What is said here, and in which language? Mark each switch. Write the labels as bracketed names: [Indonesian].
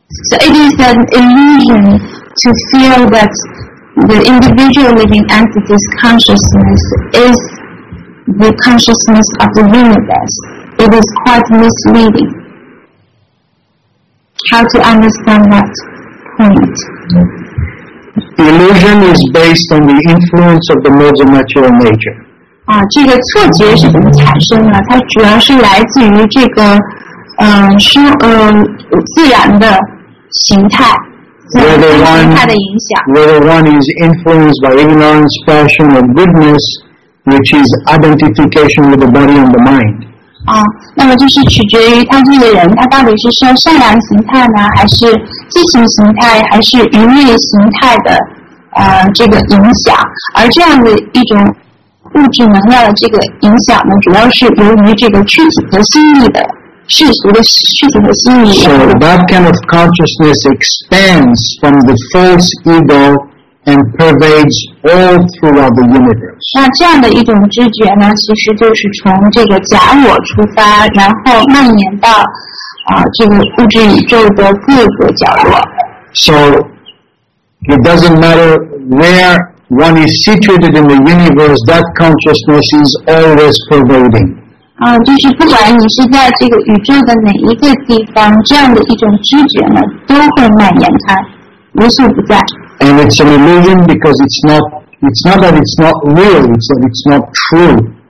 [English] So it is an illusion to feel that the individual living entity's consciousness is the consciousness of the universe. It is quite misleading. How to understand that point? The illusion is based on the influence of the modes of material nature. [Chinese] 啊，这个错觉是怎么产生的？它主要是来自于这个，自然的形态，自然的形态的影响。 [English] Whether one is influenced by ignorance, passion, or goodness, which is identification with the body and the mind. [Chinese] 啊，那么就是取决于他这个人，他到底是说善良形态呢，还是激情形态，还是愚昧形态的这个影响。而这样的一种物质能量的这个影响呢，主要是由于这个躯体和心意的世俗的躯体和心意。 [English] So that kind of consciousness expands from the false ego and pervades all throughout the universe. [Chinese] 那这样的一种知觉呢，其实就是从这个假我出发，然后蔓延到这个物质宇宙的各个角落。 [English] So it doesn't matter where one is situated in the universe, that consciousness is always pervading. [Chinese] 就是不管你是在这个宇宙的哪一个地方，这样的一种知觉呢，都会蔓延开，无处不在。 [English] And it's an illusion because it's not that it's not real, it's that it's not true.